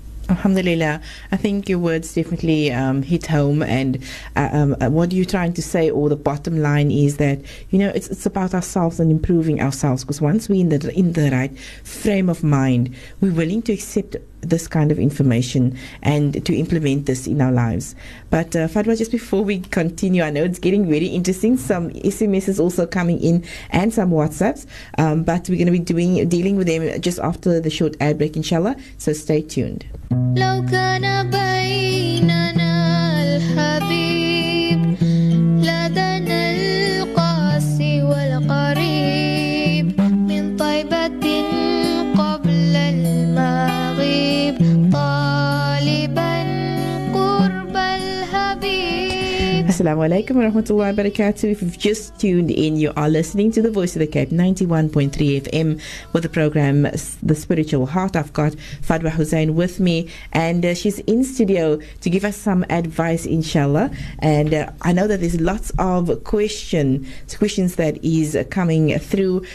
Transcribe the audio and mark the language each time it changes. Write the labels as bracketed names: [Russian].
[English] Alhamdulillah, I think your words definitely hit home, and what you're trying to say, or the bottom line, is that, you know, it's about ourselves and improving ourselves, because once we're in the right frame of mind, we're willing to accept this kind of information and to implement this in our lives. But Fadwa, just before we continue, I know it's getting very interesting, some SMSs also coming in and some WhatsApps, but we're going to be dealing with them just after the short ad break, inshallah, so stay tuned. [Arabic] لو كان بيننا الحبيب لدنا القاسي والقريب من طيبة قبل المغيب طالبا قرب الحبيب. السلام عليكم ورحمة الله وبركاته. [English] If you've just tuned in, you are listening to the Voice of the Cape 91.3 FM with the program The Spiritual Heart. I've got Fadwa Hussein with me, and she's in studio to give us some advice, inshallah. And I know that there's lots of questions that is coming through.